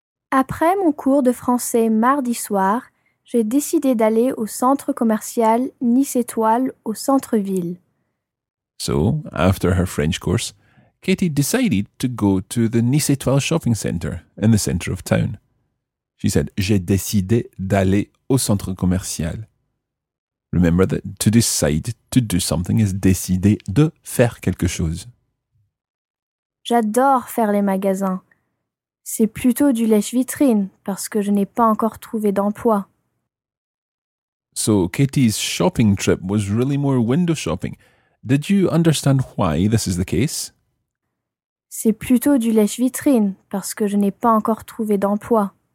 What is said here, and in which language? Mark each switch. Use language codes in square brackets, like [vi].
[fr] Après mon cours de français mardi soir, j'ai décidé d'aller au centre commercial Nice Étoile au centre-ville. [en] So, after her French course, Katie decided to go to the Nice Étoile shopping center in the center of town. She said, [fr] j'ai décidé d'aller au centre commercial. [en] Remember that to decide to do something is [fr] décider de faire quelque chose. J'adore faire les magasins. C'est plutôt du lèche-vitrine parce que je n'ai pas encore trouvé d'emploi. [en] So, Katie's shopping trip was really more window shopping. Did you understand why this is the case? [fr] C'est plutôt du lèche-vitrine parce que je n'ai pas encore trouvé d'emploi.